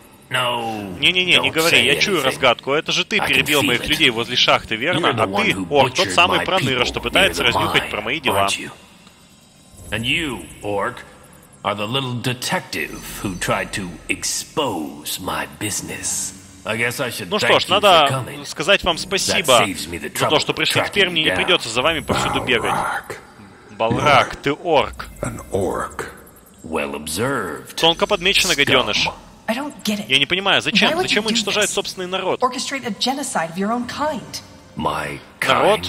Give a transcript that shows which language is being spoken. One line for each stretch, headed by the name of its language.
Russian: Не-не-не, не говори, я чую разгадку. Это же ты перебил моих людей возле шахты, верно? А ты, орк, тот самый проныра, что пытается разнюхать про мои дела.
English: And you, Orc, are the little detective who tried to expose my business. I guess I should thank you for coming.
Russian: Ну что ж, надо сказать вам спасибо за то, что пришли к Перми, не придется за вами повсюду бегать. Балрак, ты орк.
English: An orc. Well observed.
Russian: Тонко подмечено, гаденыш.
English: I don't get it.
Russian: Я не понимаю, зачем? Зачем уничтожать собственный народ?
English: Orchestrate a genocide of your own kind. My kind.